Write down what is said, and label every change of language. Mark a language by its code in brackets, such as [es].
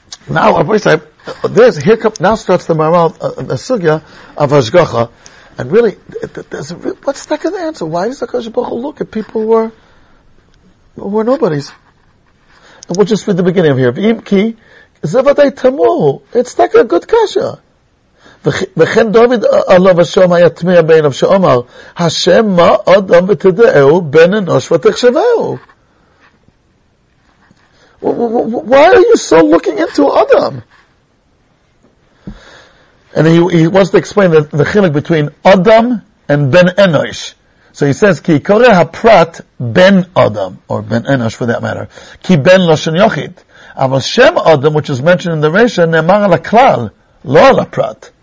[en] Now, here starts the Maharal, the sugya of Hashgacha. And really, what's the heck of the answer? Why does the Kosh Baruch Hu look at people who are nobodies? And we'll just read the beginning of here. V'im ki, zevatei tamohu. It's like a good kasha. [he] וכן דוד עליו השם היה תמיע בעיניו שאומר השם מה אדם ותדעהו בן אנוש ותחשבהו. [en] Why are you so looking into Adam? And he wants to explain the chilek between Adam and Ben Enosh. So he says [he] כי קורא הפרט בן אדם or בן אנוש for that matter כי בן לשון יחיד אבל שם אדם [en] which is mentioned in the ratio [he] נאמר על הכלל לא על הפרט.